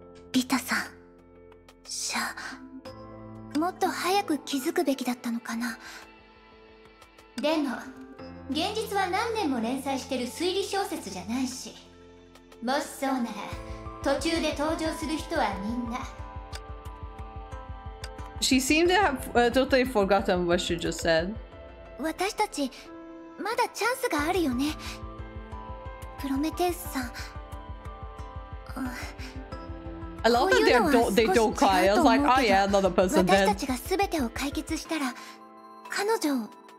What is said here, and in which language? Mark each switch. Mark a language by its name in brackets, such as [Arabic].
[Japanese] リタさん.しゃ. もっと早く気づくべきだったのかな. でも 現実は何年も連載してる推理小説じゃないし、 もしそうなら 途中で登場する人はみんな。 [English] She seemed to have totally forgotten what she just said. [Japanese] 私たち まだチャンスがあるよね。プロメテウスさん。 [English] I love that they don't cry. I was like, oh yeah, another person then. [Japanese] 私たちが全てを解決したら 彼女を